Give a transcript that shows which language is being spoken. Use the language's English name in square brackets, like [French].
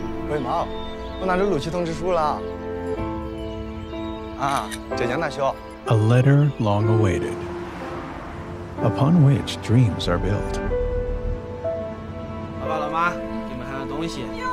[Chinese] 会忙，我拿着录取通知书了。啊，浙江大学。 [English] A letter long awaited, upon which dreams are built. [Chinese] 爸爸老妈，给你们看看东西。